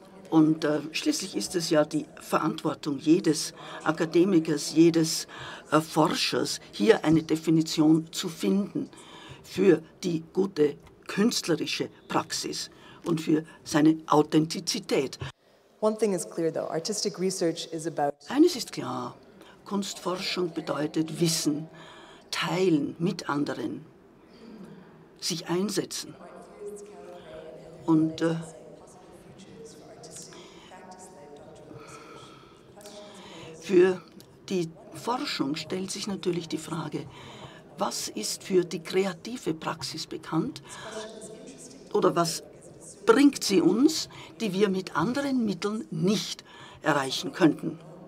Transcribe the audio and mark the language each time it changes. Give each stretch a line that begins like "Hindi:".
German: Und schließlich ist es ja die Verantwortung jedes Akademikers, jedes Forschers, hier eine Definition zu finden für die gute künstlerische Praxis und für seine Authentizität.
English: One thing is clear though, artistic research is about.
German: Eines ist klar, Kunstforschung bedeutet Wissen, teilen mit anderen, sich einsetzen. Und für die Forschung stellt sich natürlich die Frage, was ist für die kreative Praxis bekannt oder was bringt sie uns, die wir mit anderen Mitteln nicht erreichen könnten.